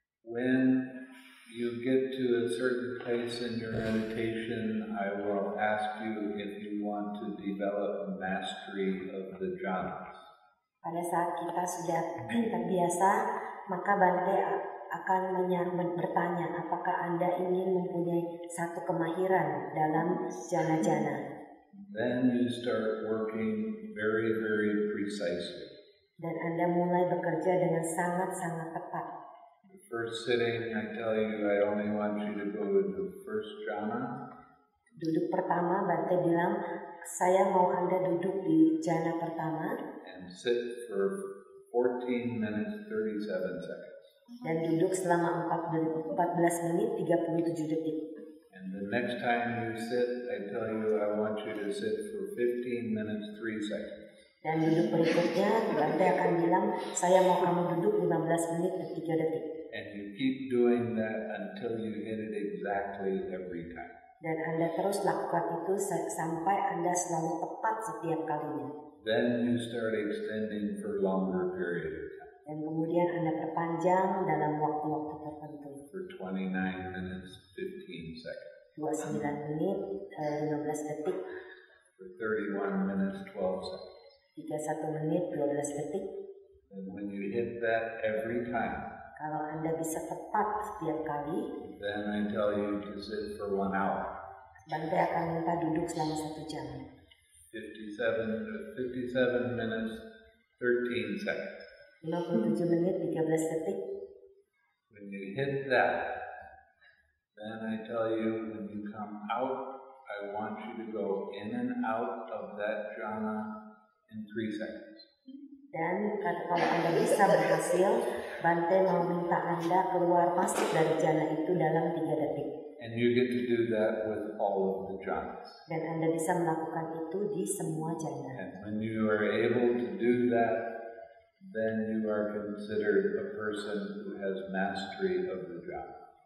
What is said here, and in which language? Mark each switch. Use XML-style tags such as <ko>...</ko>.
<en>When you get to a certain place in your meditation, I will ask you if you want to develop mastery of the jhanas.</en> <id>Pada saat kita sudah terbiasa, maka Bante akan bertanya apakah Anda ingin mempunyai satu kemahiran dalam jhana-jhana.</id> <en>Then you start working very, very precisely.</en> <id>Dan Anda mulai bekerja dengan sangat-sangat tepat.</id> <en>First sitting, I tell you, I only want you to go with the first jhana.</en> <id>Duduk pertama, Bante bilang, saya mau Anda duduk di jhana pertama.</id> <en>And sit for 14 minutes, 37 seconds.</en> <id>Dan duduk selama 14 menit, 37 detik.</id> <en>And the next time you sit, I tell you, I want you to sit for 15 minutes, 3 seconds.</en> <id>Dan duduk berikutnya, Bante akan bilang, saya mau kamu duduk 15 menit, 3 detik.</id> <en>And you keep doing that until you hit it exactly every time.</en> <id>Dan Anda terus lakukan itu sampai Anda selalu tepat setiap kalinya.</id> <en>Then you start extending for longer period of time.</en> <id>Dan kemudian Anda perpanjang dalam waktu-waktu tertentu.</id> <en>For 29 minutes, 15 seconds.</en> <id>29 menit, 15 detik.</id> <en>For 31 minutes, 12 seconds.</en> <id>31 menit, 12 detik.</id> <en>And when you hit that every time,</en> <id>kalau Anda bisa tepat setiap kali,</id> <en>then I tell you to sit for 1 hour.</en> <id>Bante akan minta duduk selama 1 jam.</id> <en>57 minutes, 13 seconds.</en> <id>57 menit, 13 detik.</id> <en>When you hit that, then I tell you, when you come out, I want you to go in and out of that jhana in 3 seconds.</en> <id>Dan kalau Anda bisa berhasil, Bante mau minta Anda keluar masuk dari jhana itu dalam 3 detik.</id> <en>And you get to do that with all of the jhanas.</en> <id>Dan Anda bisa melakukan itu di semua jhana.</id> <en>And when you are able to do that, then you are considered a person who has mastery of the jhana.</en>